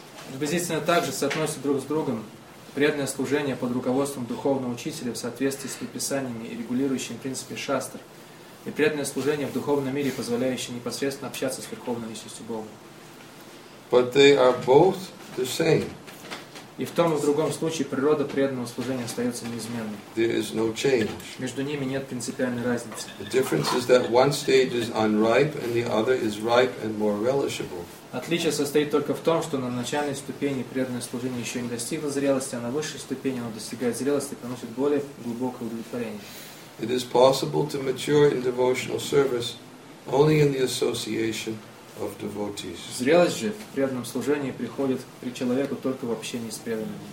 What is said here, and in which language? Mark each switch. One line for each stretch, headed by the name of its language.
Russian: Приблизительно так же соотносятся друг с другом преданное служение под руководством духовного учителя в соответствии с предписаниями и регулирующими принципами Шастр, и преданное служение в духовном мире, позволяющее непосредственно общаться с Верховной Личностью Бога.
English: But they are both the same.
Russian: И в том и в другом случае природа преданного служения остается неизменной.
English: There is no change.
Russian: Между ними нет принципиальной разницы.
English: The difference is that one stage is unripe and the other is ripe and more relishable.
Russian: Отличие состоит только в том, что на начальной ступени преданное служение еще не достигло зрелости, а на высшей ступени оно достигает зрелости и приносит более глубокое удовлетворение.
English: It is possible to mature in devotional service only in the association of devotees.
Russian: Зрелость же в преданном служении приходит при человеку только в общении с преданными.